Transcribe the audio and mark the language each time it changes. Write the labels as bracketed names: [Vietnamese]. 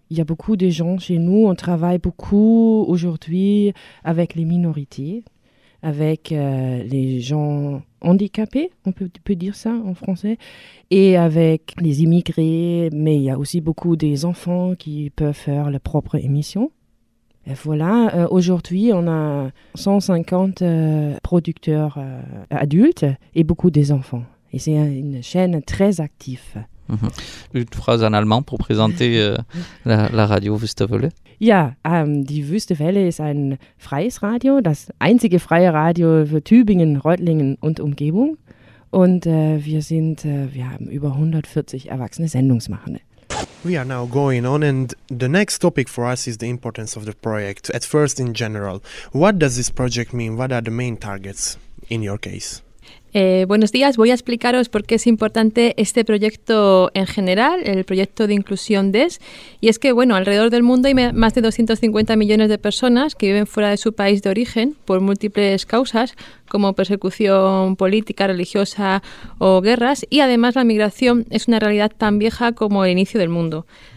[French] Il y a beaucoup de gens chez nous. On travaille beaucoup aujourd'hui avec les minorités, avec les gens handicapés, on peut dire ça en français, et avec les immigrés, mais il y a aussi beaucoup des enfants qui peuvent faire leur propre émission. Et voilà, aujourd'hui, on a 150 producteurs adultes et beaucoup des enfants. Et c'est une chaîne très active. Une phrase en allemand pour présenter la radio, Wüstewelle. [German] Ja, die Wüstewelle ist ein freies Radio, das einzige freie Radio für Tübingen, Reutlingen und Umgebung. Und wir haben über 140 erwachsene Sendungsmachende. [English] We are now going on and the next topic for us is the importance of the project, at first in general. What does this project mean? What are the main targets in your case? [Spanish] Buenos días, voy a explicaros por qué es importante este proyecto en general, el proyecto de inclusión DES, y es que bueno, alrededor del mundo hay más de 250 millones de personas que viven fuera de su país de origen por múltiples causas, como persecución política, religiosa o guerras, y además la migración es una realidad tan vieja como el inicio del mundo.